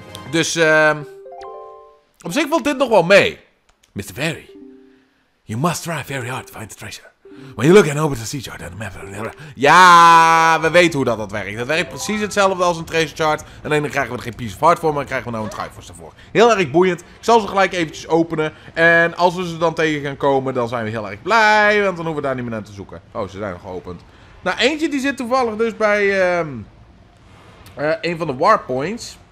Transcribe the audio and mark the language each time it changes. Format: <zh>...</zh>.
<nl>Dus op zich valt dit nog wel mee.</nl> <en>Mr. Fairy, you must try very hard to find the treasure. When you look in over the sea chart,</en> <nl>ja, we weten hoe dat werkt. Dat werkt precies hetzelfde als een treasure chart. Alleen dan krijgen we er geen piece of heart voor, maar dan krijgen we nou een triforce ervoor. Heel erg boeiend. Ik zal ze gelijk eventjes openen. En als we ze dan tegen gaan komen, dan zijn we heel erg blij. Want dan hoeven we daar niet meer naar te zoeken. Oh, ze zijn nog geopend. Nou, eentje die zit toevallig dus bij een van de warp points.</nl>